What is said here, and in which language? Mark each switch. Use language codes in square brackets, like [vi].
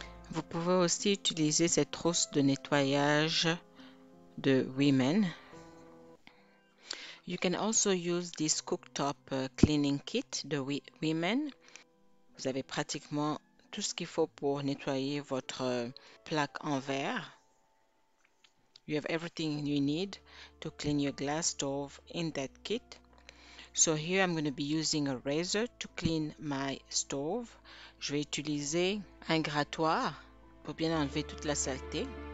[fr] Vous pouvez aussi utiliser cette trousse de nettoyage de Women. [en] You can also use this cooktop cleaning kit de Women. [fr] Vous avez pratiquement tout ce qu'il faut pour nettoyer votre plaque en verre. [en] You have everything you need to clean your glass stove in that kit. So here I'm going to be using a razor to clean my stove. [fr] Je vais utiliser un grattoir pour bien enlever toute la saleté.